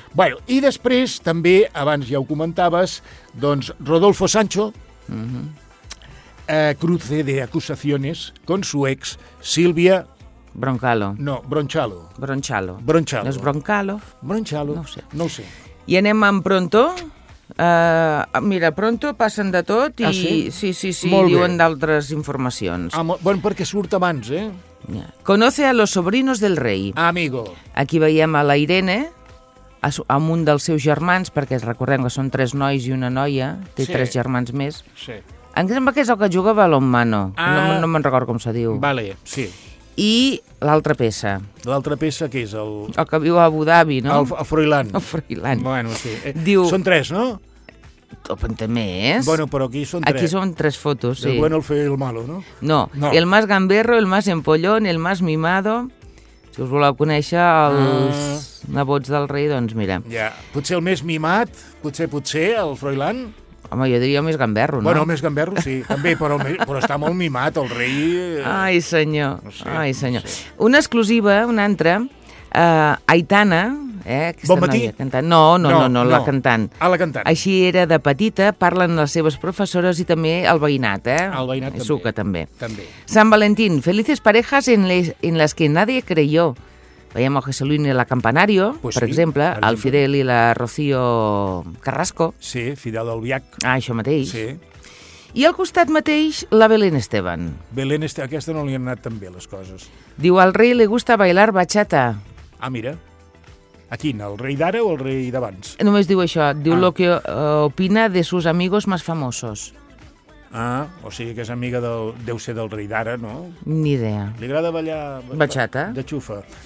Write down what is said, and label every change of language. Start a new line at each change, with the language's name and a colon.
Catalan: Bueno, i després, també, abans ja ho comentaves, doncs Rodolfo Sancho,
Spanish: cruce de acusaciones con su ex Silvia
Catalan: Broncalo. No, Bronchalo. Bronchalo. Bronchalo. No és Broncalo. Bronchalo. No ho sé. No ho sé. I anem amb Pronto. Mira, Pronto passen de tot i... Ah, sí? Sí, sí, sí. Molt diuen d'altres informacions. Ah, bueno, perquè surt abans, eh?
Spanish: Conoce a los sobrinos del rey.
Catalan: Amigo. Aquí veiem a la Irene, amb un dels seus germans, perquè recordem que són tres nois i una noia, té tres germans més. Sí. Em sembla que és el que juga a balonmano. Ah, no me'n recordo com se diu. Vale, sí. I l'altra peça. L'altra peça, què és? El que viu a Abu Dhabi, no? El Froilán. El Froilán. Bueno, sí. Diu... Són tres, no? Topante més. Bueno, però aquí són tres. Aquí són tres fotos, sí.
Spanish: El bueno, el feo y el malo, no? No. No. El más gamberro, el más empollón, el más mimado.
Catalan: Si us voleu conèixer els nebots del rei, doncs mira. Ja. Potser el més mimat, potser, el Froilán. Home, jo diria el més gamberro, no? Bueno, el més gamberro, sí, també, però està molt mimat, el rei... Ai, senyor, no sé, ai, senyor. No sé. Una exclusiva, una altra, Aitana, aquesta bon matí. Noia cantant... No, no, no, no, no, no, la cantant. Ah, la cantant. Així era de petita, parlen les seves professores i també el veïnat, eh? El veïnat també. Suca, també. També.
Spanish: Sant Valentín, felices parejas en les que nadie creyó.
Catalan: Veiem el José Luis y la Campanario, pues per sí, exemple, per el Fidel i la Rocío Carrasco. Sí, Fidel Albiach. Ah, això mateix. Sí. I al costat mateix, la Belén Esteban. Belén Esteban, aquesta no li han anat tan bé, les coses. Diu, al rei li
Spanish: gusta bailar
Catalan: bachata. Ah, mira. A quin, el rei d'ara o el rei d'abans? Només diu això, diu
Spanish: lo que opina de sus amigos más famosos.
Catalan: Ah, o sigui que és amiga del... deu ser del rei d'ara, no? Ni idea. Li agrada ballar... bachata. De xufa.